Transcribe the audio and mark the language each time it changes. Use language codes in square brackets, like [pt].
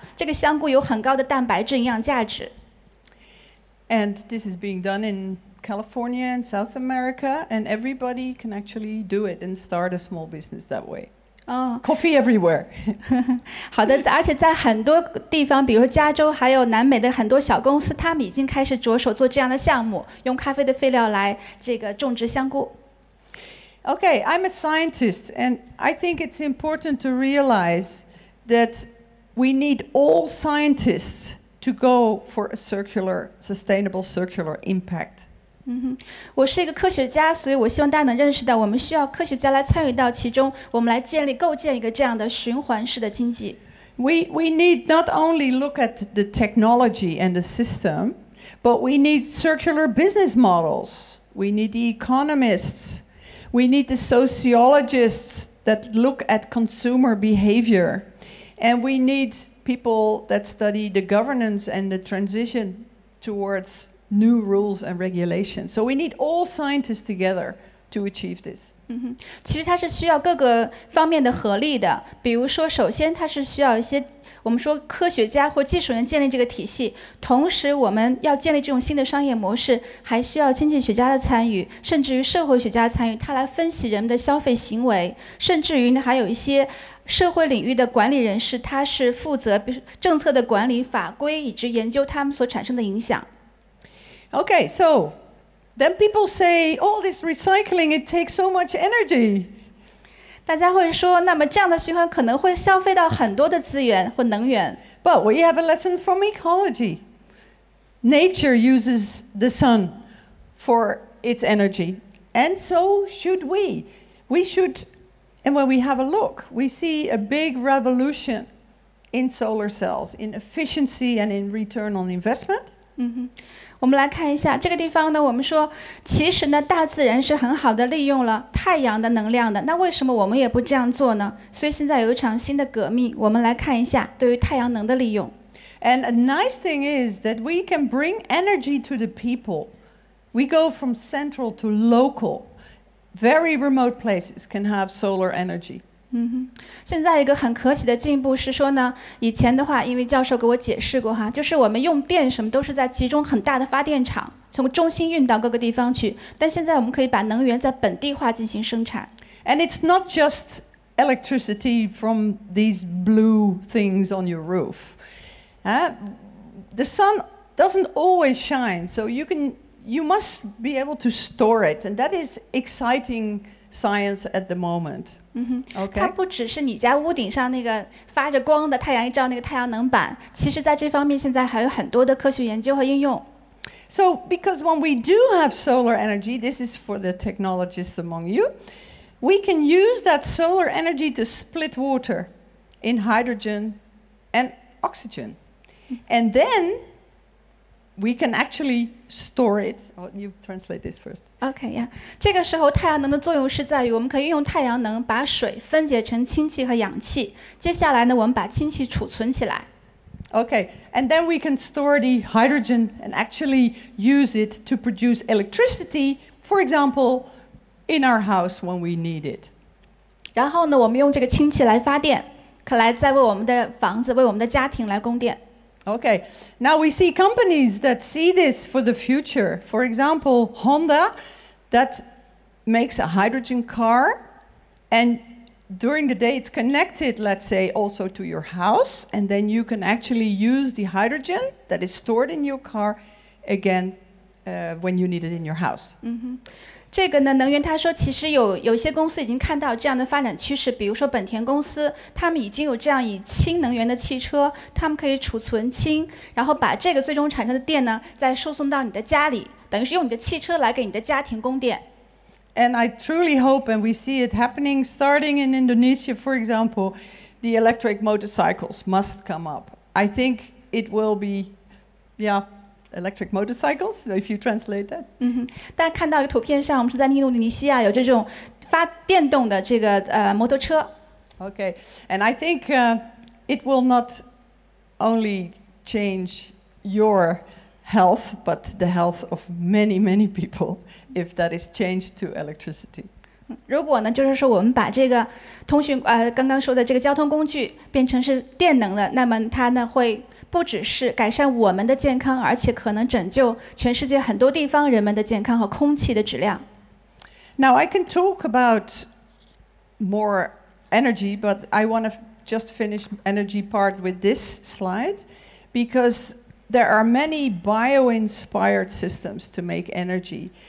[zh] 这个香菇有很高的蛋白质营养价值。 [en] And this is being done in California and South America, and everybody can actually do it and start a small business that way. Coffee everywhere. [zh] 好的，而且在很多地方，比如加州还有南美的很多小公司，他们已经开始着手做这样的项目，用咖啡的废料来这个种植香菇。 [en] Okay, I'm a scientist, and I think it's important to realize that we need all scientists to go for a sustainable circular impact. [zh] 我是一个科学家，所以我希望大家能认识到，我们需要科学家来参与到其中，我们来构建一个这样的循环式的经济。 [en] We need not only look at the technology and the system, but we need circular business models. We need the economists. We need the sociologists that look at consumer behavior, and we need people that study the governance and the transition towards. New rules and regulations. So we need all scientists together to achieve this. [zh] 其实它是需要各个方面的合力的。比如说，首先它是需要一些我们说科学家或技术人建立这个体系。同时，我们要建立这种新的商业模式，还需要经济学家的参与，甚至于社会学家的参与，他来分析人们的消费行为，甚至于呢还有一些社会领域的管理人士，他是负责政策的管理、法规以及研究他们所产生的影响。 [en] Okay, so then people say, all this recycling, it takes so much energy. [zh] 大家会说，那么这样的循环可能会消费到很多的资源或能源。 [en] But we have a lesson from ecology. Nature uses the sun for its energy, and so should we. We should, and when we have a look, we see a big revolution in solar cells, in efficiency and in return on investment. [zh] 我们来看一下这个地方呢，我们说其实呢，大自然是很好的利用了太阳的能量的，那为什么我们也不这样做呢？所以现在有一场新的革命，我们来看一下对于太阳能的利用。 [en] And a nice thing is that we can bring energy to the people. We go from central to local. Very remote places can have solar energy. [zh] 现在一个很可喜的进步是说呢，以前的话，因为教授给我解释过哈，就是我们用电什么都是在集中很大的发电厂，从中心运到各个地方去。但现在我们可以把能源在本地化进行生产。 [en] And it's not just electricity from these blue things on your roof. The sun doesn't always shine, so you must be able to store it, and that is exciting science at the moment. Okay. [zh] 它不只是你家屋顶上那个发着光的太阳一照那个太阳能板，其实在这方面现在还有很多的科学研究和应用。 [en] So because when we do have solar energy, this is for the technologists among you, we can use that solar energy to split water in hydrogen and oxygen. And then we can actually store it. You translate this first. Okay, yeah. [zh] 这个时候太阳能的作用是在于我们可以运用太阳能把水分解成氢气和氧气。接下来呢，我们把氢气储存起来。 [en] Okay, and then we can store the hydrogen and actually use it to produce electricity, for example, in our house when we need it. [zh] 然后呢，我们用这个氢气来发电，可来再为我们的房子、为我们的家庭来供电。 [en] Okay, now we see companies that see this for the future. For example, Honda, that makes a hydrogen car, and during the day it's connected, let's say, also to your house, and then you can actually use the hydrogen that is stored in your car again, when you need it in your house. [zh] 这个呢，能源他说，其实有些公司已经看到这样的发展趋势，比如说本田公司，他们已经有这样以氢能源的汽车，他们可以储存氢，然后把这个最终产生的电呢，再输送到你的家里，等于是用你的汽车来给你的家庭供电。 [en] And I truly hope, and we see it happening, starting in Indonesia, for example, the electric motorcycles must come up. I think it will be, yeah. Electric motorcycles. If you translate that, [zh] 但看到一个图片上，我们是在印度尼西亚有这种发电动的这个摩托车。 [en] Okay, and I think it will not only change your health, but the health of many, many people if that is changed to electricity. [zh] 如果呢，就是说我们把这个通讯刚刚说的这个交通工具变成是电能的，那么它呢会。不只是改善我们的健康，而且可能拯救全世界很多地方人们的健康和空气的质量。 [en] Now I can talk about more energy, but I want to just finish energy part with this slide, because there are many bio-inspired systems to make energy.